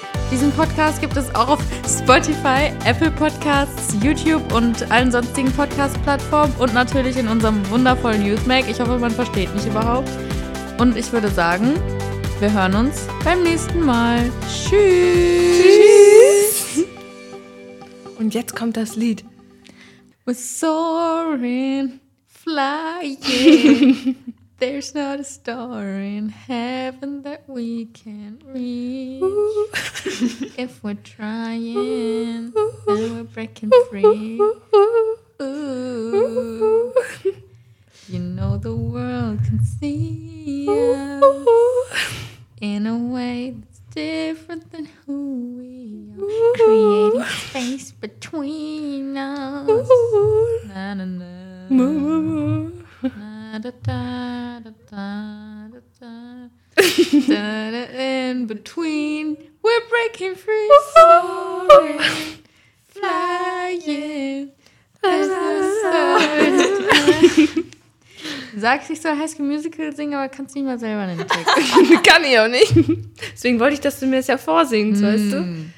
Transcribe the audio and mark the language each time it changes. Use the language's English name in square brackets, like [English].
[German] Diesen Podcast gibt es auch auf Spotify, Apple Podcasts, YouTube und allen sonstigen Podcast-Plattformen und natürlich in unserem wundervollen Newsmag. Ich hoffe, man versteht mich überhaupt. Und ich würde sagen, wir hören uns beim nächsten Mal. Tschüss! Und jetzt kommt das Lied. [English] We're soaring, flying. There's not a star in heaven that we can't reach. If we're trying, then we're breaking free. Ooh. You know the world can see us in a way that's different than who we are. Creating space between us. Na na na. Da da da da da da da da. In between, we're breaking free, soaring, flying. There's no stars. [German] Sagst du, ich soll High School Musical singen, aber kannst nicht mal selber einen Text. Kann ich auch nicht. Deswegen wollte ich, dass du mir das ja vorsingst, weißt du?